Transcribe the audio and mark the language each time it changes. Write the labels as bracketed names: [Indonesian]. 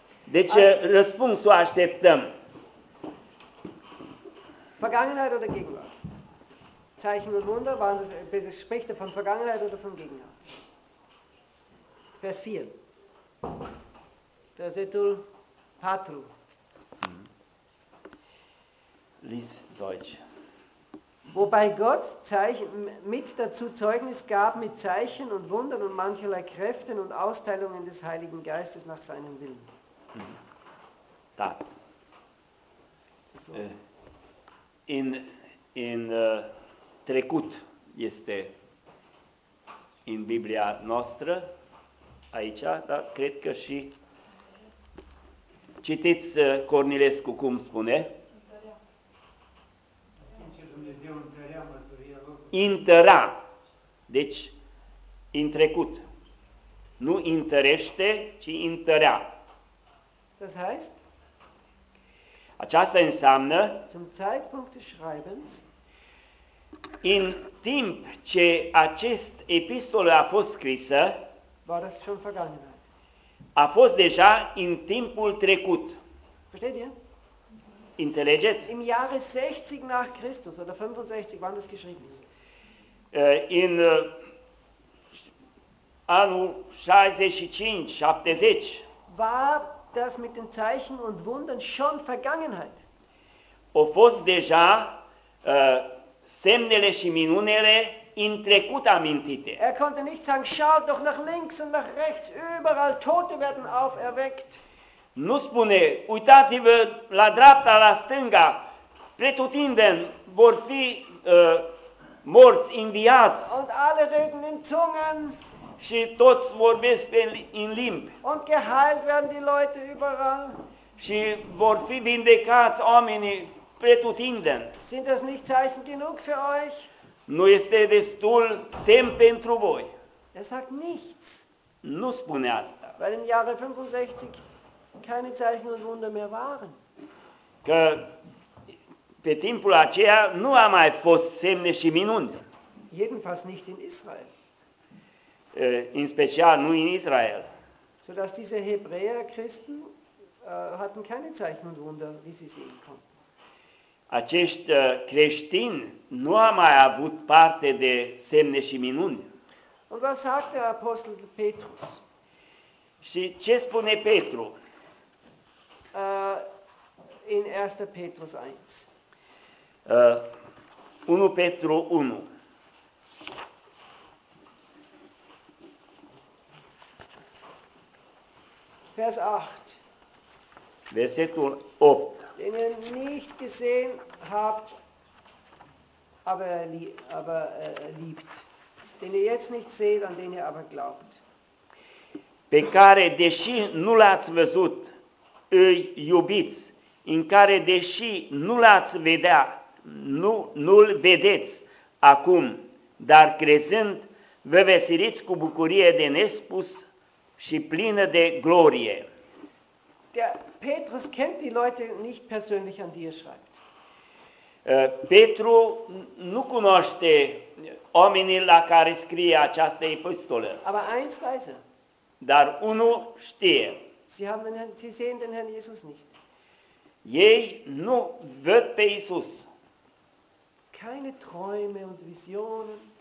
[Romanian] Deci răspunsul așteptăm. [German] Vergangenheit oder Gegenwart? Zeichen und Wunder, waren das Spreche von Vergangenheit oder von Gegenwart? Vers 4. [Romanian] Versetul 4. [German] Lies Deutsch. Wobei Gott Zeichen, mit dazu Zeugnis gab mit Zeichen und Wundern und mancherlei Kräften und Austeilungen des Heiligen Geistes nach seinem Willen. [Romanian] Da. In trecut este în Biblia noastră aici, dar cred că și citiți Cornilescu cum spune. Intera. Deci, în trecut. Nu întărește, ci întărea. [German] Das heißt? [Romanian] Aceasta înseamnă [German] zum Zeitpunkt des Schreibens, [Romanian] în timp ce acest epistol a fost scrisă, [German] war das schon vergangenheit. [Romanian] A fost deja în timpul trecut. [German] Versteht ihr? [Romanian] Înțelegeți? [German] Im Jahre 60 nach Christus oder 65, wann das geschrieben ist. [Romanian] În anul 65-70 [German] war das mit den Zeichen und Wundern schon Vergangenheit. [Romanian] Au fost deja semnele și minunele în trecut amintite. [German] Er konnte nicht sagen, schaut doch nach links und nach rechts, überall Tote werden auferweckt. [Romanian] Nu spune, uitați-vă la dreapta, la stânga, pretutindeni vor fi morți, înviați. [German] Und alle reden in Zungen. [Romanian] Și toți vorbesc în limbi. [German] Und geheilt werden die Leute überall. [Romanian] Și vor fi vindecați oamenii pretutindeni. [German] Sind das nicht Zeichen genug für euch? [Romanian] Nu este destul semn pentru voi. [German] Er sagt nichts. [Romanian] Nu spune asta. [German] Weil im Jahre 65 keine Zeichen und Wunder mehr waren. [Romanian] Că pe timpul aceea nu a mai fost semne și minuni. [German] Jedenfalls nicht in Israel. [Romanian] In special nu in Israel. [German] So dass diese Hebräer Christen hatten keine Zeichen und Wunder, wie sie sehen konnten. [Romanian] Acești creștini nu a mai avut parte de semne și minuni. [German] Und was sagt der Apostel Petrus? [Romanian] Și ce spune Petru? [German] In 1. Petrus 1. [Romanian] 1 Petru 1. [German] Vers 8. [Romanian] Versetul 8. [German] Den ihr nicht gesehen habt, aber liebt. Den ihr jetzt nicht seht, an den ihr aber glaubt. [Romanian] Pe care, deși nu l-ați văzut, îi iubiți, în care, deși nu l-ați vedea, nu-l vedeți acum, dar crezând, vă veseliți cu bucurie de nespus și plină de glorie. [German] Der Petrus kennt die Leute nicht persönlich, an die er schreibt. [Romanian] Petru nu cunoaște oamenii la care scrie această epistolă. [German] Aber eins weiß er. [Romanian] Dar unul știe. [German] Sie sehen den Herrn Jesus nicht. [Romanian] Ei nu văd pe Iisus. [German] Keine Träume und Visionen.